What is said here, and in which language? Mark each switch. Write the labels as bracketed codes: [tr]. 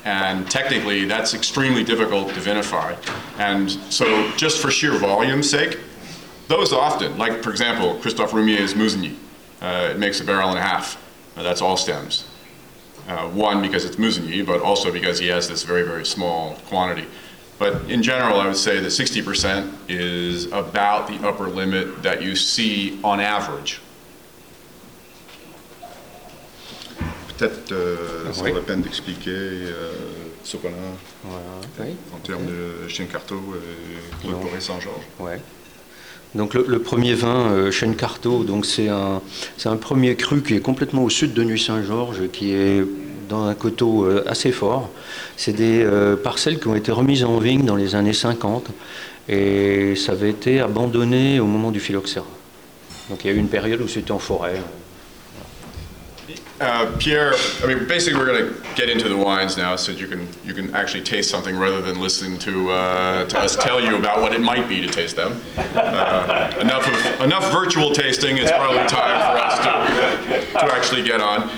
[en] And technically, that's extremely difficult to vinify. And so just for sheer volume's sake, those often, like for example, Christophe Roumier's Musigny, it makes a barrel and a half. That's all stems. One, because it's Musigny, but also because he has this very, very small quantity. But in general, I would say that 60% is about the upper limit that you see on average. [fr] Peut-être ça vaut la peine d'expliquer ce qu'on a en termes de Chêne Carteau et de Poré Saint-Georges. Donc le premier vin, Chêne Carteau, donc c'est un premier cru qui est complètement au sud de Nuit-Saint-Georges, qui est dans un coteau assez fort. C'est des parcelles qui ont été remises en vigne dans les années 50, et ça avait été abandonné au moment du phylloxéra. Donc il y a eu une période où c'était en forêt. [en] Pierre, I mean, basically we're going to get into the wines now so that you can actually taste something rather than listening to us tell you about what it might be to taste them. Enough virtual tasting, it's probably time for us to actually get on.